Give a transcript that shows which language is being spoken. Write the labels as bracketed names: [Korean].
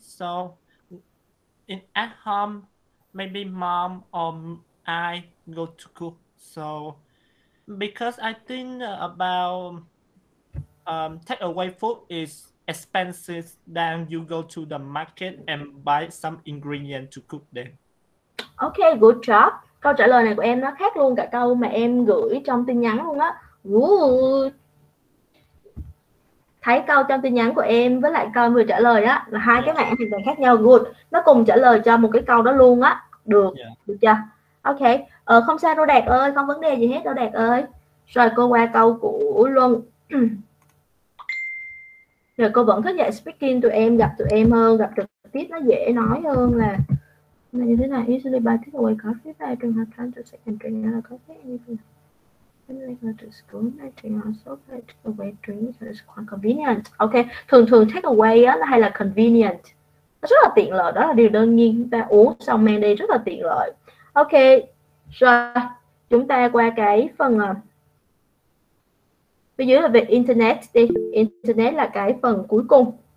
[English] So in at home, maybe mom or I go to cook. So because I think about takeaway food is expenses, then you go to the market and buy some ingredient to cook them. Okay, good job. [Vietnamese] Câu trả lời này của em nó khác luôn cả câu mà em gửi trong tin nhắn luôn á. [English] Good. [Vietnamese] Thấy câu trong tin nhắn của em với lại câu vừa trả lời á là hai cái mạng hoàn toàn khác nhau. [English] Good. [Vietnamese] Nó cùng trả lời cho một cái câu đó luôn á. Được. Yeah. Được chưa? Okay. Không sao đâu Đạt ơi, không vấn đề gì hết đâu Đạt ơi. Rồi cô qua câu của Luân. Rồi cô vẫn thích dạy speaking tụi em, gặp tụi em hơn, gặp trực tiếp nó dễ nói hơn là như thế này. [English] Usually buy takeaway coffee that I don't have time to sit and drink another coffee. When I go to school, I drink also buy takeaway drinks, so it's quite convenient. [Vietnamese] Ok, thường thường takeaway á, hay là convenient. Nó rất là tiện lợi, đó là điều đương nhiên. Chúng ta uống xong mang đi rất là tiện lợi. Ok, rồi chúng ta qua cái phần bên dưới là về Internet đi. Internet là cái phần cuối cùng.